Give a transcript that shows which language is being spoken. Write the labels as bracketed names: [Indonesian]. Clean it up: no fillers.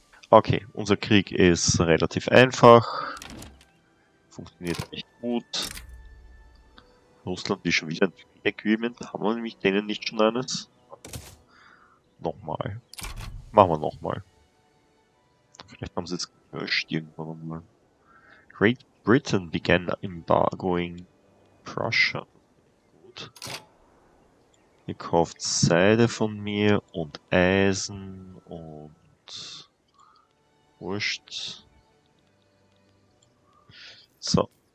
[German] Okay, unser Krieg ist relativ einfach. Funktioniert recht gut. Russland will schon wieder ein Equipment. Haben wir nämlich denen nicht schon eines? Nochmal. Machen wir nochmal. Vielleicht haben sie es gelöscht irgendwann nochmal. [English] Great Britain began embargoing Prussia. [German] Gut. Ihr kauft Seide von mir und Eisen und Wurst. So.